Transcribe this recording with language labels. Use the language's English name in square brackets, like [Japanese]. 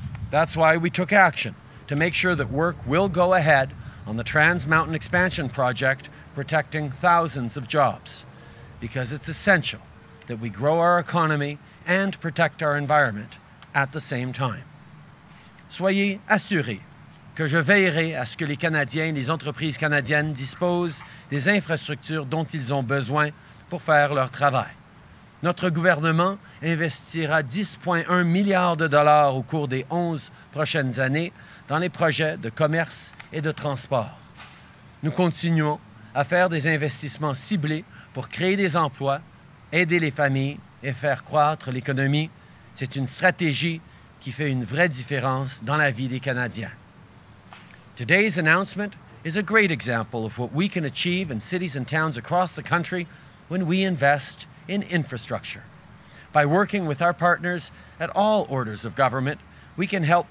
[English] That's why we took action to make sure that work will go ahead on the Trans Mountain Expansion Project, protecting thousands of jobs. Because it's essential that we grow our economy and protect our environment at the same time. [French] Soyez assurés que je veillerai à ce que les Canadiens et les entreprises canadiennes disposent des infrastructures dont ils ont besoin pour faire leur travail. Notre gouvernement investira 10,1 milliards de dollars au cours des 11 prochaines années dans les projets de commerce et de transport. Nous continuons à faire des investissements ciblés pour créer des emplois, aider les familles et faire croître l'économie. C'est une stratégie qui fait une vraie différence dans la vie des Canadiens. [English] Today's announcement is a great example of what we can achieve in cities and towns across the country when we invest in infrastructure. By working with our partners at all orders of government, we can help people spend more time with their families, grow our economy,